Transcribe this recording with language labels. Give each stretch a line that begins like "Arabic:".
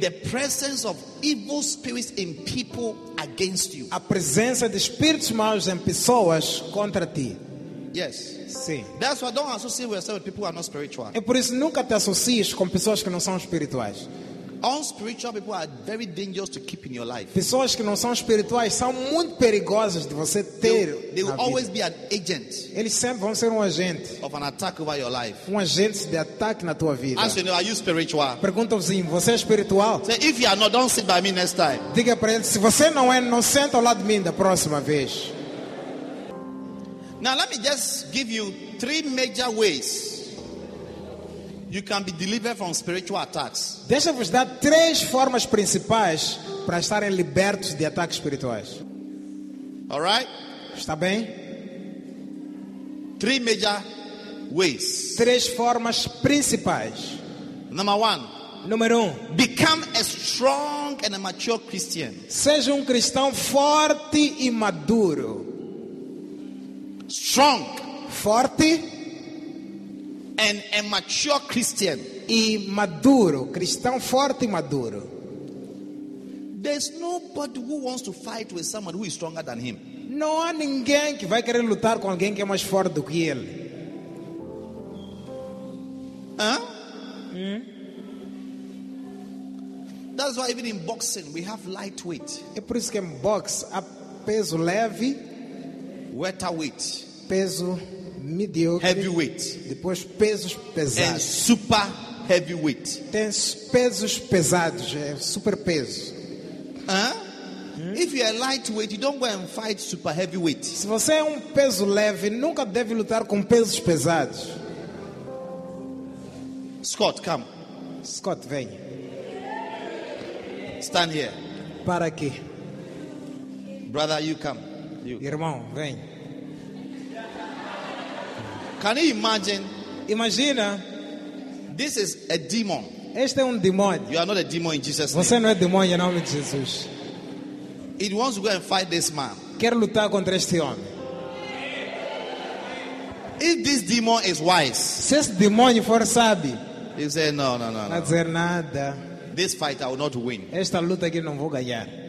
English: The presence of evil spirits in people against you.
Portuguese: A presença de espíritos maus em pessoas contra ti.
English: Yes.
Portuguese: Sim.
English: That's why don't associate yourself with people who are not spiritual.
Portuguese: É por isso nunca te associes com pessoas que não são espirituais.
English: Unspiritual people are very dangerous to keep in your life.
Portuguese: Pessoas que não são espirituais são muito perigosas de você ter.
English: They will always be an agent.
Portuguese: Eles sempre vão ser um agente.
English: Of an attack over your life.
Portuguese: Um agente de ataque na tua vida.
English: Ask you, are you spiritual?
Portuguese: Pergunta ao vizinho, você é espiritual?
English: Say, if you are not, don't sit by me next time.
Portuguese: Diga para ele, se você não é, não senta ao lado de mim da próxima vez.
English: Now let me just give you three major ways you can be delivered from spiritual attacks.
Portuguese: Deixa-vos dar três formas principais para estarem libertos de ataques espirituais.
English: All right?
Portuguese: Está bem?
English: Three major ways.
Portuguese: Três formas principais.
English: Number one.
Portuguese: Número um.
English: Become a strong and a mature Christian.
Portuguese: Seja cristão forte e maduro.
English: Strong,
Portuguese: forte,
English: and a mature Christian.
Portuguese: E maduro, cristão forte e maduro.
English: There's nobody who wants to fight with someone who is stronger than him.
Portuguese: Não há ninguém que vai querer lutar com alguém que é mais forte do que ele.
English: That's why even in boxing we have lightweight.
Portuguese: É por isso que em box há peso leve,
English: welterweight.
Portuguese: Peso medíocre,
English: heavyweight.
Portuguese: Depois pesos pesados.
English: And super heavyweight.
Portuguese: Tem pesos pesados, é super peso.
English: If you are lightweight, you don't go and fight super heavyweight.
Portuguese: Se você é peso leve, nunca deve lutar com pesos pesados.
English: Scott, come.
Portuguese: Scott, vem.
English: Stand here.
Portuguese: Para aqui.
English: Brother, you come. You.
Portuguese: Irmão, vem.
English: Can you imagine?
Portuguese: Imagina.
English: This is a demon.
Portuguese: Este é demônio.
English: You are not a demon in Jesus'
Portuguese: você
English: name.
Portuguese: Você não é demônio em nome de Jesus.
English: It wants to go and fight this man.
Portuguese: Quer lutar contra este homem.
English: If this demon is wise.
Portuguese: Se este demônio for sábio.
English: He said, no.
Portuguese: Dizer nada.
English: This fight I will not win.
Portuguese: Esta luta aqui não vou ganhar.